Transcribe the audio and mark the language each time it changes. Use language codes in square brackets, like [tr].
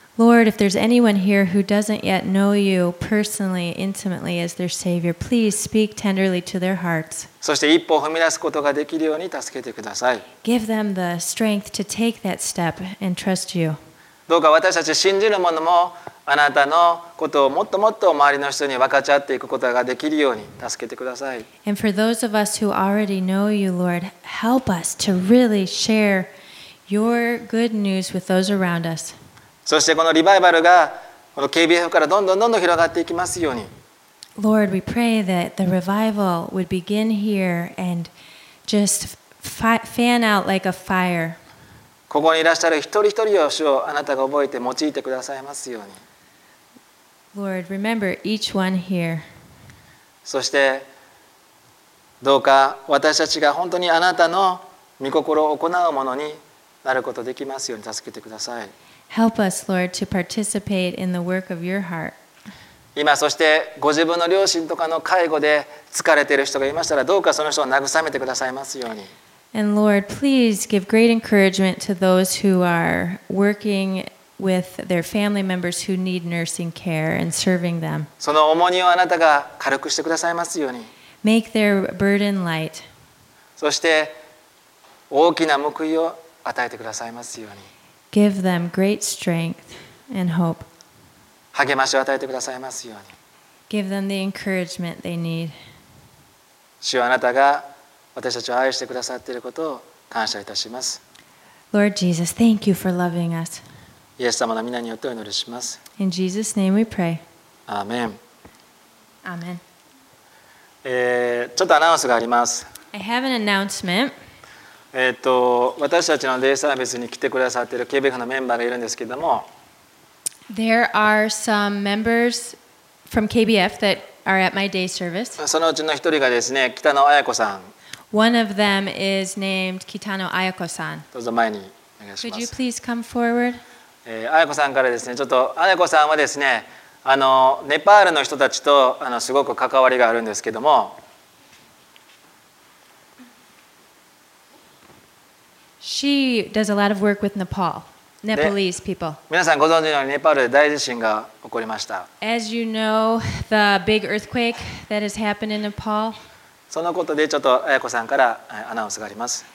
[en] Lord, if there's anyone here who doesn't yet know you personally, intimately as their Savior, please speak tenderly to their hearts. [ja] そして一歩踏み出すことができるように助けてください。 [en] Give them the strength to take that step and trust you. [ja] どうか私たち信じる者もあなたのことをもっともっと周りの人に分かち合っていくことができるように助けてください。 [en] And for those of us who already know you, Lord, help us to really share your good news with those around us. [ja] そしてこのリバイバルがこの KBF からどんどんどんどん広がっていきますように。 [en] Lord, we pray that the revival would begin here and just fan out like a fire. [ja] ここにいらっしゃる一人一人を主をあなたが覚えて用いてくださいますように。 [en] Lord, remember each one here. [ja] そしてどうか私たちが本当にあなたの御心を行うものになることができますように助けてください。 [en] Help us, Lord, to participate in the work of your heart. [ja] 今そしてご自分の両親とかの介護で疲れている人がいましたらどうかその人を慰めてくださいますように。 [en] And Lord, please give great encouragement to those who are working with their family members who need nursing care and serving them. [ja] その重荷をあなたが軽くしてくださいますように。 [en] Make their burden light. [ja] そして大きな報いを与えてくださいますように。 [en] Give them great strength and hope. [ja] 励ましを与えてくださいますように。 [en] Give them the encouragement they need. [ja] 主あなたが私たちを愛してくださっていることを感謝いたします。 [en] Lord Jesus, thank you for loving us. [ja] イエス様の御名によってお祈りします。 [en] In Jesus' name we pray. Amen. Amen. [ja] ちょっとアナウンスがあります。 [en] I have an announcement. [ja] 私たちのデイサービスに来てくださっている KBF のメンバーがいるんですけども [en] There are some members from KBF that are at my day service. [ja] そのうちの一人がですね、北野彩子さん [en] One of them is named 北野彩子さん。 [ja] どうぞ前にお願いします。 [en] Could you please come forward? [ja] 彩子さんからですね、ちょっと彩子さんはですね、ネパールの人たちとすごく関わりがあるんですけども [en] She does a lot of work with Nepal, Nepalese people. [ja] 皆さんご存知のようにネパールで大地震が起こりました。 [en] As you know, the big earthquake that has happened in Nepal. [ja] そのことでちょっと彩子さんからアナウンスがあります。